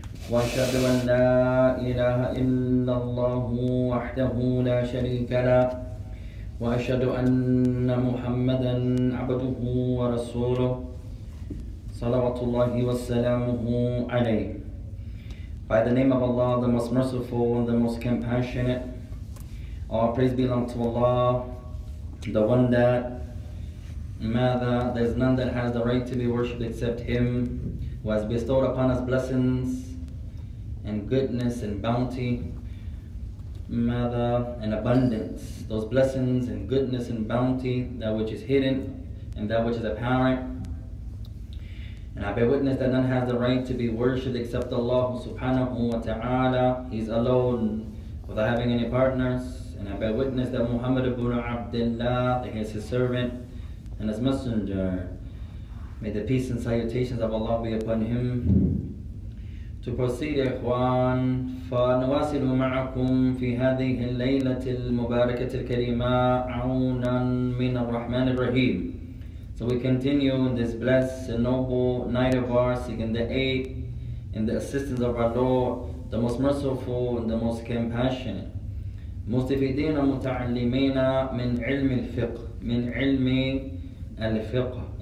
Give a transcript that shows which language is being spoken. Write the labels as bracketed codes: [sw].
[ar] وأشهد أن لا إله إلا الله وحده لا شريك له وأشهد أن محمدا عبده ورسوله صلوات الله وسلامه عليه. [en] By the name of Allah, the most merciful and the most compassionate, all praise belongs to Allah, the one that there's none that has the right to be worshipped except Him, who has bestowed upon us blessings and goodness and bounty, and abundance. Those blessings and goodness and bounty, that which is hidden and that which is apparent. And I bear witness that none has the right to be worshipped except Allah subhanahu wa ta'ala. He's alone without having any partners. And I bear witness that Muhammad ibn Abdullah, he is his servant and his messenger. May the peace and salutations of Allah be upon him. To proceed, [ar] ikhwan, فَنُوَاسِلُ مَعَكُمْ فِي هَذِهِ اللَّيْلَةِ الْمُبَارَكَةِ الْكَرِيمَةِ عَوْنًا مِنَ الرَّحْمَنِ الرَّحِيمِ. [en] So we continue in this blessed and noble night of ours, seeking the aid and the assistance of our Lord, the most merciful and the most compassionate. [ar] مُسْتِفِدِينَ مُتَعَلِّمِينَ مِنْ عِلْمِ الْفِقْهِ مِنْ عِلْمِ الْفِقْهِ.